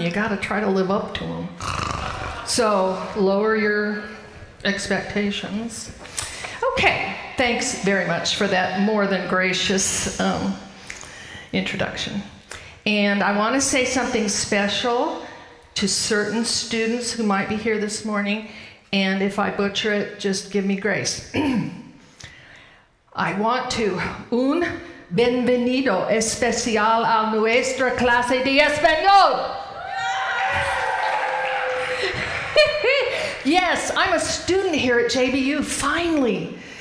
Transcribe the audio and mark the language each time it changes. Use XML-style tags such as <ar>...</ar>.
<en>You got to try to live up to them. So lower your expectations. Okay, thanks very much for that more than gracious introduction. And I want to say something special to certain students who might be here this morning. And if I butcher it, just give me grace. I want to</en> <es>Bienvenido especial a nuestra clase de español.</es> <en>Yes, I'm a student here at JBU, finally.</en>